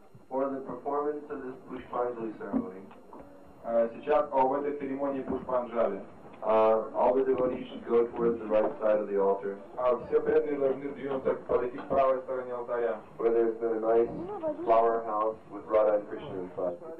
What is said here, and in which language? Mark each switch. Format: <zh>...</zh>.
<en>For the performance of this Pushpanjali ceremony.</en> <ru>Сейчас в этой церемонии Пушпанджали.</ru> <en>All the devotees should go towards the right side of the altar.</en> <ru>Все преданные должны двинуться к подойти к правой стороне алтаря.</ru> <en>Where there's been a nice flower house with Radha and Krishna inside.</en>